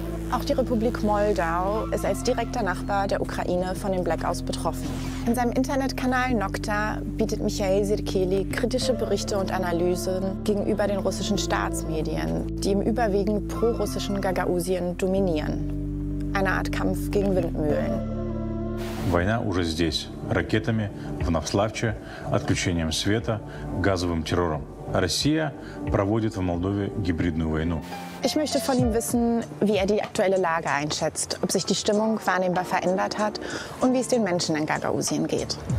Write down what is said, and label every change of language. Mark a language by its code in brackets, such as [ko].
[de] Auch die Republik Moldau ist als direkter Nachbar der Ukraine von den Blackouts betroffen. In seinem Internetkanal Nocta bietet Michael Sirkeli kritische Berichte und Analysen gegenüber den russischen Staatsmedien, die im überwiegend pro-russischen Gagausien dominieren. Eine Art Kampf gegen Windmühlen. [ru] Война уже здесь. Ракетами в Навславче, отключением света, газовым террором. Россия проводит в Молдове гибридную войну. [de] Ich möchte von ihm wissen, wie die aktuelle Lage einschätzt, ob sich die Stimmung wahrnehmbar verändert hat und wie es den Menschen in Gagausien geht.